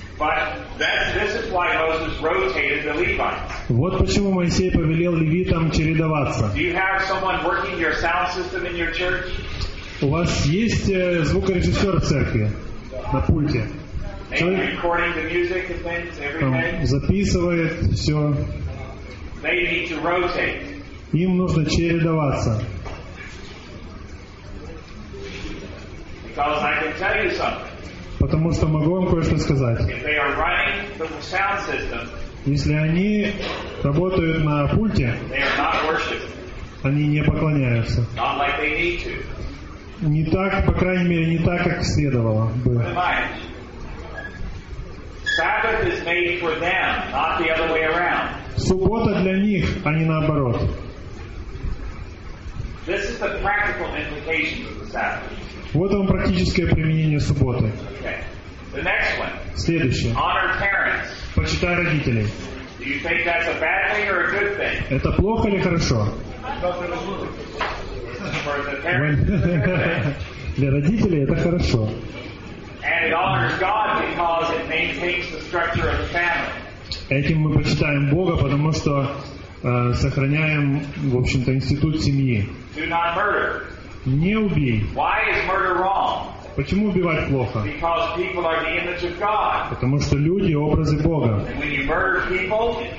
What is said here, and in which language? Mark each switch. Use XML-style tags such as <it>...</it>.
<ru>Вот почему Моисей повелел левитам чередоваться.</ru> <en>Do you have someone working your sound system in your church?</en> <ru>У вас есть звукорежиссер в церкви на пульте?</ru> <en>Maybe recording the music and things every day.</en> <ru>Записывает все.</ru> <en>They need to rotate.</en> <ru>Им нужно чередоваться.</ru> <en>Because I can tell you something.</en> <ru>Потому что могу вам кое-что сказать.</ru> <en>If they are running the sound system,</en> <ru>если они работают на пульте,</ru> <en>they are not worshiping.</en> <ru>Они не поклоняются.</ru> <en>Not like they need to.</en> <ru>Не так, по крайней мере, не так, как следовало бы.</ru> <en>Sabbath is made for them, not the other way around.</en> <ru>Суббота для них, а не наоборот.</ru> <en>This is the practical implications of the Sabbath.</en> <ru>Вот вам практическое применение субботы.</ru> <en>Okay. The next one.</en> <ru>Следующее.</ru> <en>Honor parents.</en> <ru>Почитай родителей.</ru> <en>Do you think that's a bad thing or a good thing?</en> <ru>Это плохо или хорошо? Для родителей это хорошо.</ru> <en>And it honors God because it maintains the structure of the family.</en> <ru>Этим мы почитаем Бога, потому что сохраняем, в общем-то, институт семьи.</ru> <en>Do not murder.</en> <ru>Не убей.</ru> <en>Why is murder wrong?</en> <ru>Почему убивать плохо?</ru> <en>Because people are the image of God.</en> <ru>Потому что люди – образы Бога.</ru> <en>And when you murder people,</en>